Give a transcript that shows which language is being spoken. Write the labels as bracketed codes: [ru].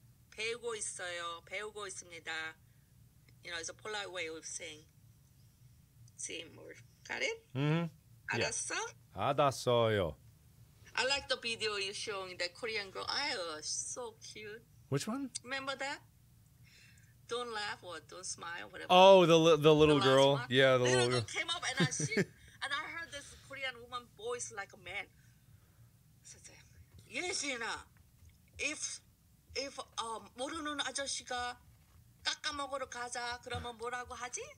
[ko] 배우고 있어요, 배우고 있습니다. [en] You know, it's a polite way of saying same word. Got it? Mm-hmm. [ko] 알았어? [en] Yeah. [ko] 알았어요. [en] I like the video you showing that Korean girl. I was so cute. Which one? Remember that? Don't laugh or don't smile, whatever. Oh, the little girl. One. Yeah, the little girl. Came up and I heard this Korean woman voice like a man. Yes, Gina. If [ko] 모르는 아저씨가 깎아 먹으러 가자, 그러면 뭐라고 하지?